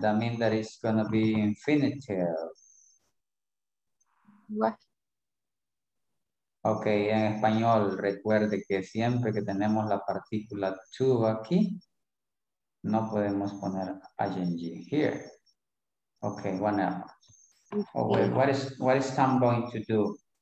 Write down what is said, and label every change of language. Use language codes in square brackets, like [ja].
[en] That means that it's going to be infinitive. What? [es] Ok, en español, recuerde que siempre que tenemos la partícula to aquí, no podemos poner ing here. [en] Ok, one else. Oh, wait, what is Tom going to do?